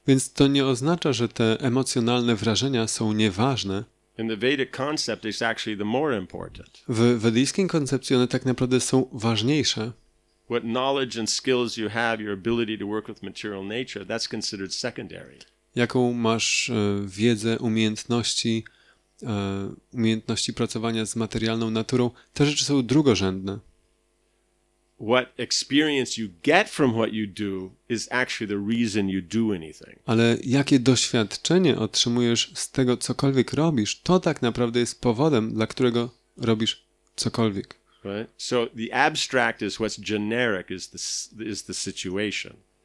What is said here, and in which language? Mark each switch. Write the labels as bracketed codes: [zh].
[pl] Więc to nie oznacza, że te emocjonalne wrażenia są nieważne. [en] In the Vedic concept it's actually the more important. [pl] W wedyjskiej koncepcji one tak naprawdę są ważniejsze. [en] What knowledge and skills you have, your ability to work with material nature, that's considered secondary. [pl] Jaką masz wiedzę, umiejętności pracowania z materialną naturą, te rzeczy są drugorzędne. [en] What experience you get from what you do is actually the reason you do anything. [pl] Ale jakie doświadczenie otrzymujesz z tego, cokolwiek robisz, to tak naprawdę jest powodem, dla którego robisz cokolwiek. [en] Right? So the abstract is what's generic is the situation.